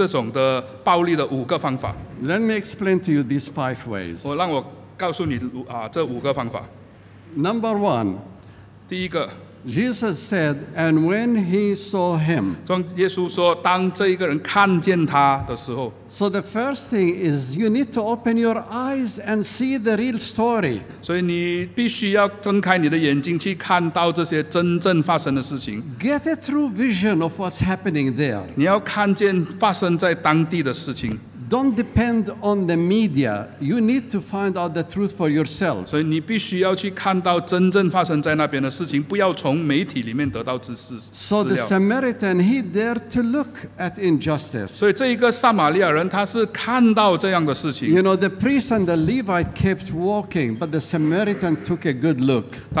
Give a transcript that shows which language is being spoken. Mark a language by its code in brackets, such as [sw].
[zh] 所以耶稣告诉你要回应这种的暴力的5个方法。 [en] Let me explain to you these 5 ways. [zh] 让我告诉你这5个方法。 [en] Number one, [zh] 第一个, [en] Jesus said, and when he saw him, [zh] 耶稣说, 当这一个人看见他的时候, [en] so the first thing is you need to open your eyes and see the real story. [zh] 所以你必须要睁开你的眼睛去看到这些真正发生的事情。 [en] Get a true vision of what's happening there. [zh] 你要看见发生在当地的事情。 [en] Don't depend on the media. You need to find out the truth for yourself. [zh] 所以你必须要去看到真正发生在那边的事情，不要从媒体里面得到知识。 [en] So the Samaritan, he dared to look at injustice. [zh] 所以这一个撒玛利亚人，他是看到这样的事情。 [en] You know, the priest and the Levite kept walking, but the Samaritan took a good look.